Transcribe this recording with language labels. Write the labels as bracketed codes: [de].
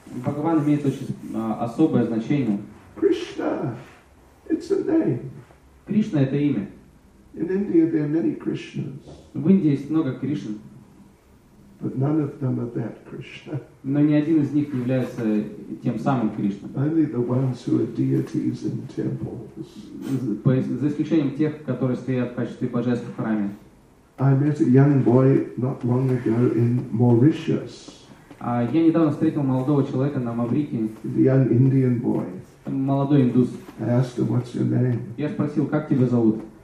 [ru] Бхагаван имеет очень особое значение. [en] Krishna, it's a name. [ru] Кришна – это имя. [en] In India there are many Krishnas. [ru] В Индии есть много Кришн. [en] But none of them are that Krishna. [ru] Но ни один из них не является тем самым Кришной. [en] Only the ones who are deities in temples. [ru] За исключением тех, которые стоят в качестве божеств в храме. [en] I met a young boy not long ago in Mauritius. [ru] Я недавно встретил молодого человека на Маврике. [en] The young Indian boy. [ru] Молодой индус. [en] I asked him, "What's your name?" [ru] Я спросил, как тебя зовут.